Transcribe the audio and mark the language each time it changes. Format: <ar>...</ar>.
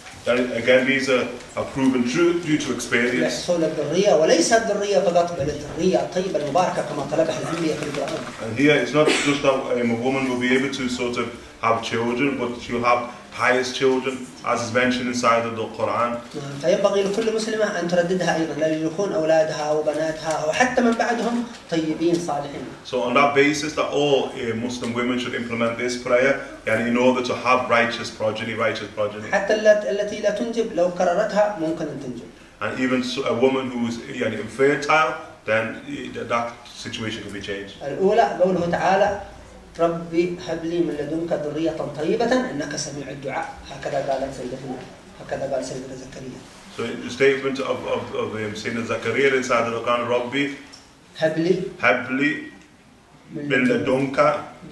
<en>That again, these are proven true due to experience. And here, it's not just that a woman will be able to sort of have children, but she'll have pious children, as is mentioned inside of the Quran.</en> <ar>فيبغي لكل مسلمة أن ترددها أيضا ليكون أولادها وبناتها وحتى من بعدهم طيبين صالحين.</ar> <en>So on that basis, that all Muslim women should implement this prayer, and in order to have righteous progeny.</en> <ar>حتى التي لا تنجب لو كررتها ممكن أن تنجب.</ar> <en>And even a woman who is</en> <ar>يعني</ar> <en>infertile, then that situation could be changed.</en> <ar>الأولى قوله تعالى. ربي هب لي من لدنك ذرية طيبة إنك سميع الدعاء هكذا قال سيدنا زكريا.</ar> <en>So the statement of سيدنا زكريا inside the Quran, ربي</en> <ar>هب لي من لدنك</ar>